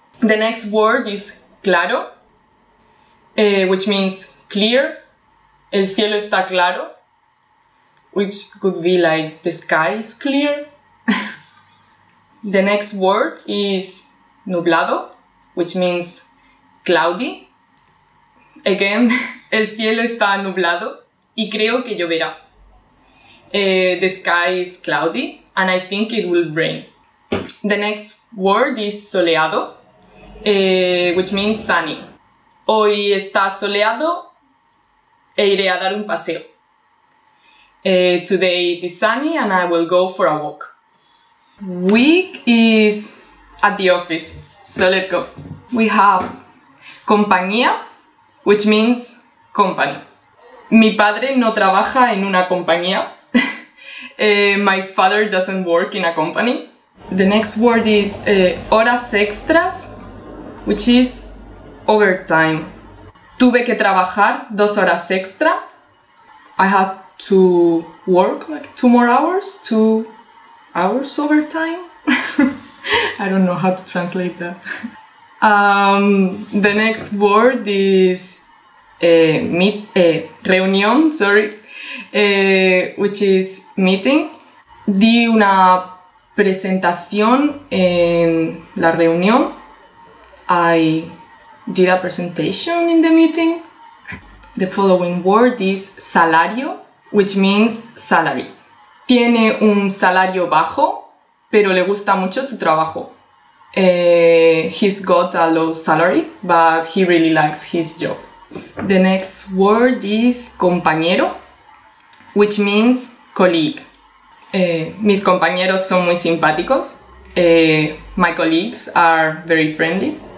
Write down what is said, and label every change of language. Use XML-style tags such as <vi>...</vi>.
<en>The next word is claro, which means clear.</en> <es>El cielo está claro,</es> <en>which could be like the sky is clear. The next word is nublado, which means cloudy.</en> <es>Again, el cielo está nublado y creo que lloverá.</es> <en>The sky is cloudy and I think it will rain. The next word is soleado, which means sunny.</en> <es>Hoy está soleado e iré a dar un paseo.</es> <en>Today it is sunny and I will go for a walk. Week is at the office, so let's go. We have compañía, which means company.</en> <es>Mi padre no trabaja en una compañía.</es> <en>My father doesn't work in a company. The next word is horas extras, which is overtime.</en> <es>Tuve que trabajar 2 horas extra.</es> <en>I had to work like 2 more hours, 2 hours overtime. I don't know how to translate that. The next word is reunión, sorry, which is meeting.</en> <es>Di una presentación en la reunión.</es> <en>I did a presentation in the meeting. The following word is salario, which means salary.</en> <es>Tiene un salario bajo, pero le gusta mucho su trabajo.</es> <en>He's got a low salary, but he really likes his job. The next word is compañero, which means colleague.</en> <es>Mis compañeros son muy simpáticos.</es> <en>My colleagues are very friendly.</en>